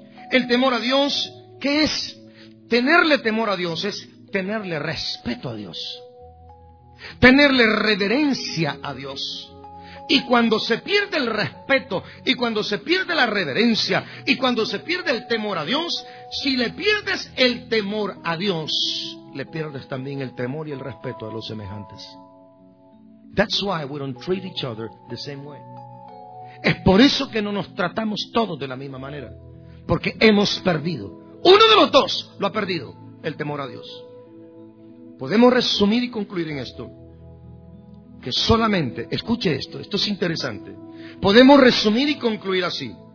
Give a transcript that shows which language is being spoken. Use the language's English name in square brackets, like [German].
[Spanish] El temor a Dios, ¿qué es? Tenerle temor a Dios es tenerle respeto a Dios, tenerle reverencia a Dios. Y cuando se pierde el respeto, y cuando se pierde la reverencia, y cuando se pierde el temor a Dios, si le pierdes el temor a Dios, le pierdes también el temor y el respeto a los semejantes. [English] That's why we don't treat each other the same way. [Spanish] Es por eso que no nos tratamos todos de la misma manera. Porque hemos perdido. Uno de los dos lo ha perdido, el temor a Dios. Podemos resumir y concluir en esto. Que solamente, escuche esto, esto es interesante. Podemos resumir y concluir así.